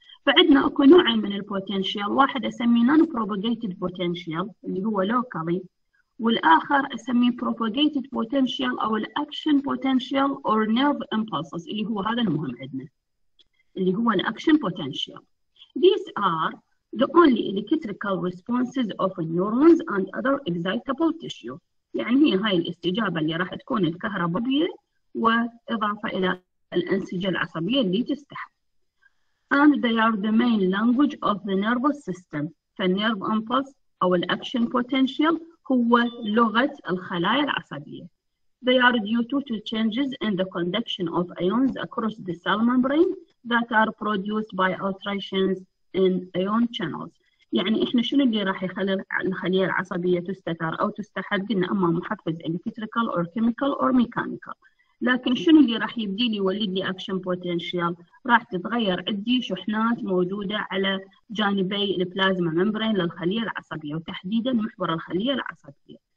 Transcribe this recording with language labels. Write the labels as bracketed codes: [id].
[ar] فعندنا اكو نوعين من البوتنشال، واحد اسميه نون بروباجيتد بوتنشال اللي هو لوكالي، والاخر اسميه بروباجيتد بوتنشال او الاكشن بوتنشال اور نيرف امبلسز اللي هو هذا المهم عندنا اللي هو الاكشن بوتنشال. [en] These are the only electrical responses of neurons and other excitable tissue. [ar] يعني هي هاي الاستجابة اللي راح تكون الكهربائية وإضافة إلى الأنسجة العصبية اللي تستحق. [en] And they are the main language of the nervous system. [ar] فالنيرف امبلس أو الأكشن بوتنشال هو لغة الخلايا العصبية. [en] They are due to changes in the conduction of ions across the cell membrane that are produced by alterations in ion channels. [ar] يعني احنا شنو اللي راح يخلي الخليه العصبيه تستثار او تستحد؟ قلنا اما محفز [en] electrical or chemical or mechanical. [ar] لكن شنو اللي راح يبدي لي يولد لي action potential؟ راح تتغير عندي شحنات موجوده على جانبي البلازما membrane للخليه العصبيه وتحديدا محور الخليه العصبيه.